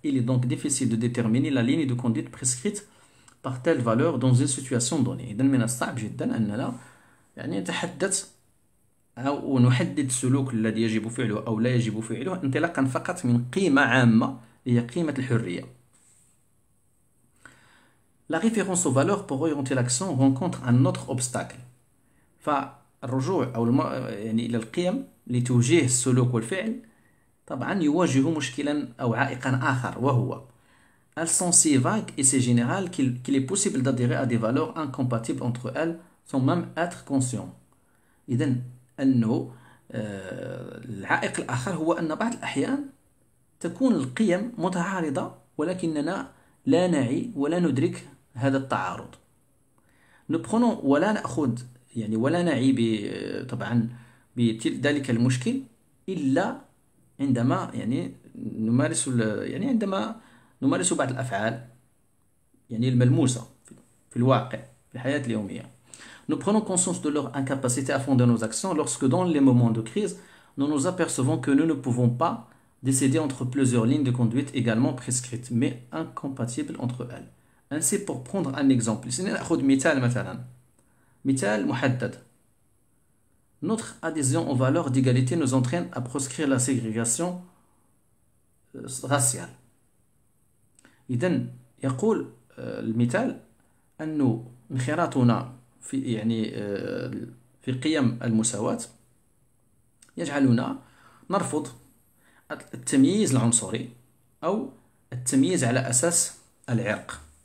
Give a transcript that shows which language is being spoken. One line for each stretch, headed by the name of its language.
French: Il est donc difficile de déterminer la ligne de conduite prescrite par telle valeur dans une situation donnée.
Arabic: إذا من الصعب جدا أننا يعني نتحدث أو نحدد السلوك الذي يجب فعله أو لا يجب فعله انطلاقا فقط من قيمة عامة هي قيمة الحرية.
French: La référence aux valeurs pour orienter l'action rencontre un autre obstacle.
Arabic: فالرجوع أو يعني إلى القيم لتوجيه السلوك والفعل طبعا يواجه مشكلا أو عائقا آخر وهو
French: elles sont si vagues et si générales qu'il est possible d'adhérer à des valeurs incompatibles entre elles sans même être conscient.
Arabic: إذن أنه العائق الآخر هو أن بعض الأحيان تكون القيم متعارضة ولكننا لا نعي ولا ندرك هذا التعارض. نبخنو ولا نأخذ يعني ولا نعي طبعا بذلك المشكل إلا عندما يعني نمارس يعني عندما نمارس بعض الأفعال يعني الملموسة في الواقع في الحياة اليومية.
French: Nous prenons conscience de leur incapacité à fonder nos actions lorsque, dans les moments de crise, nous nous apercevons que nous ne pouvons pas décider entre plusieurs lignes de conduite également prescrites, mais incompatibles entre elles. Ainsi, pour prendre un exemple, si nous prenons
Arabic: مثال مثلا, مثال محدد,
French: notre adhésion aux valeurs d'égalité nous entraîne à proscrire la ségrégation raciale.
Arabic: إذن يقول المثال أن انخراطنا في يعني في قيم المساواة يجعلنا نرفض التمييز العنصري أو التمييز على أساس العرق.